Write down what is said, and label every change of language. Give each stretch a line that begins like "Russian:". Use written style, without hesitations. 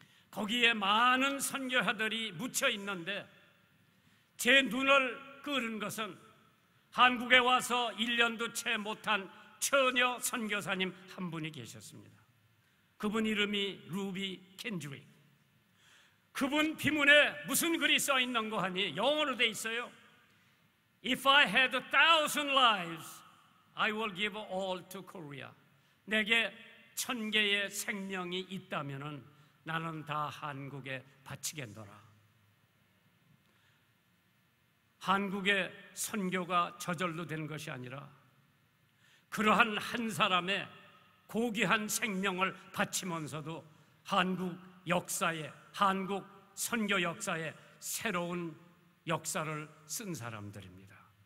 Korean: 거기에 많은 선교사들이 묻혀 있는데 제 눈을 끄는 것은 한국에 와서 1년도 채 못한 처녀 선교사님 한 분이 계셨습니다. 그분 이름이 루비 켄드릭. 그분 비문에 무슨 글이 써 있는 거 하니 영어로 돼 있어요.
English: If I had a thousand lives, I will give all to Korea.
Korean: 내게 천 개의 생명이 있다면은 나는 다 한국에 바치겠노라. 한국의 선교가 저절로 된 것이 아니라 그러한 한 사람의 고귀한 생명을 바치면서도 한국 역사에, 한국 선교 역사에 새로운 역사를 쓴 사람들입니다.